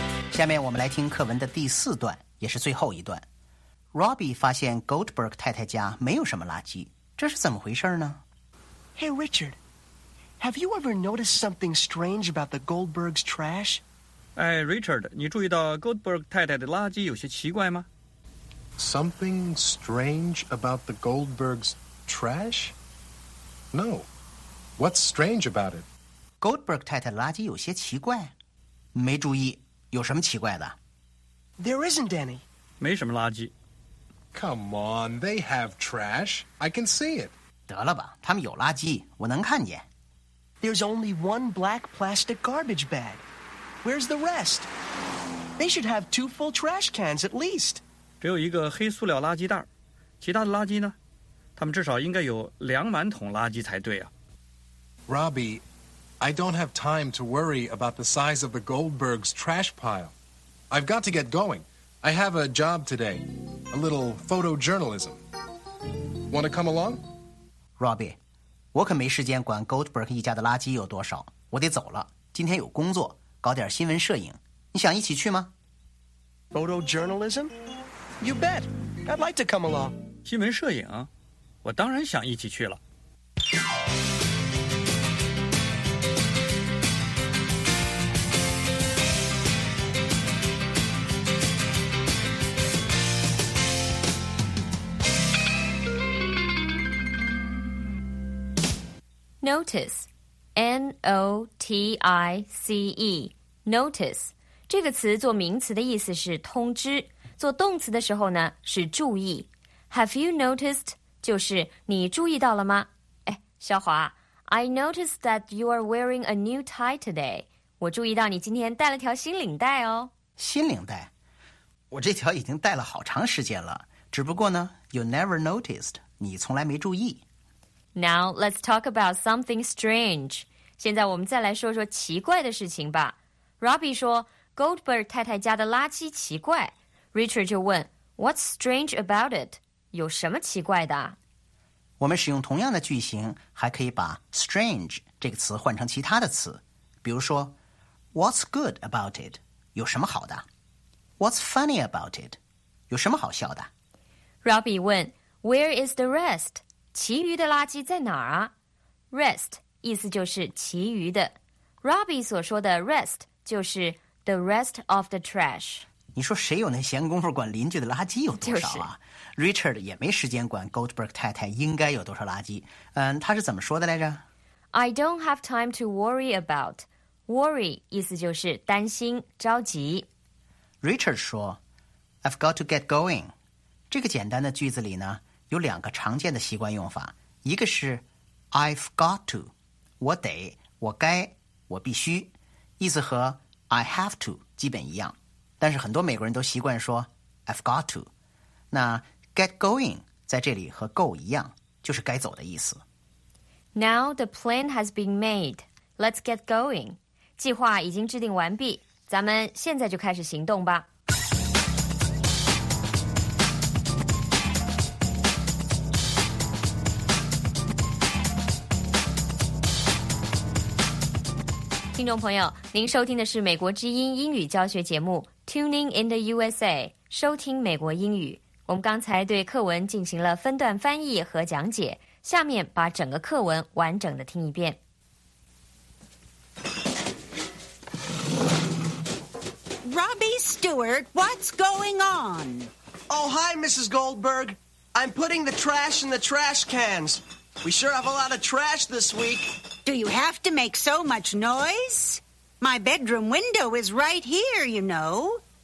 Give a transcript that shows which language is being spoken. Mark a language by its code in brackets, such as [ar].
[zh] 下面我们来听课文的第四段，也是最后一段。Robbie 发现 Goldberg 太太家没有什么垃圾，这是怎么回事呢？ [en] Hey Richard, have you ever noticed something strange about the Goldberg's trash? [zh] 哎 Richard, 你注意到 Goldberg 太太的垃圾有些奇怪吗？ [en] Something strange about the Goldberg's trash? No, what's strange about it? [zh] Goldberg 太太的垃圾有些奇怪，没注意，有什么奇怪的？ [en] There isn't any. [zh] 没什么垃圾。 [en] Come on, they have trash. I can see it. [zh] 得了吧，他们有垃圾，我能看见。 [en] There's only one black plastic garbage bag. Where's the rest? They should have two full trash cans at least. [zh] 只有一个黑塑料垃圾袋，其他的垃圾呢？他们至少应该有两满桶垃圾才对啊。 [en] Robbie,I don't have time to worry about the size of the Goldberg's trash pile. I've got to get going. I have a job today. A little photojournalism. Want to come along? [zh] Robbie, 我可没时间管 Goldberg 一家的垃圾有多少。我得走了。今天有工作，搞点新闻摄影。你想一起去吗？ [en] Photojournalism? You bet. I'd like to come along. [zh] 新闻摄影？我当然想一起去了。 [en] Notice, N-O-T-I-C-E, notice. [zh] 这个词做名词的意思是通知，做动词的时候呢是注意。 [en] Have you noticed? [zh] 就是你注意到了吗？哎，小华 [en] ，I noticed that you are wearing a new tie today. [zh] 我注意到你今天带了条新领带哦。新领带？我这条已经带了好长时间了，只不过呢 ， [en] you never noticed. [zh] 你从来没注意。 [en] Now, let's talk about something strange. [zh] 现在我们再来说说奇怪的事情吧。Robbie 说 Goldberg 太太家的垃圾奇怪。 [en] Richard 就问 What's strange about it? [zh] 有什么奇怪的？我们使用同样的句型，还可以把 strange 这个词换成其他的词。比如说 [en] What's good about it? [zh] 有什么好的？ [en] What's funny about it? [zh] 有什么好笑的？ [en] Robbie 问 Where is the rest? [zh] 其余的垃圾在哪儿啊？ Rest 意思就是其余的。 [en] Robbie 所说的 rest 就是 the rest of the trash。 [zh] 你说谁有那闲工夫管邻居的垃圾有多少啊？就是， Richard 也没时间管 Goldberg 太太应该有多少垃圾。他是怎么说的来着？ [en] I don't have time to worry about. [zh] Worry 意思就是担心着急。 [en] Richard 说 I've got to get going. [zh] 这个简单的句子里呢有两个常见的习惯用法，一个是 [en] I've got to， [zh] 我得，我该，我必须，意思和 [en] I have to [zh] 基本一样，但是很多美国人都习惯说 I've got to。那 [en] get going [zh] 在这里和 go 一样，就是该走的意思。 [en] Now the plan has been made. Let's get going. [zh] 计划已经制定完毕，咱们现在就开始行动吧。听众朋友，您收听的是美国之音英语教学节目 Tuning in the USA， 收听美国英语。我们刚才对课文进行了分段翻译和讲解，下面把整个课文完整的听一遍。 [en] Robbie Stewart, what's going on? Oh, hi, Mrs. Goldberg. I'm putting the trash in the trash cans. We sure have a lot of trash this week. Do you have to make so much noise? My bedroom window is right here, you know.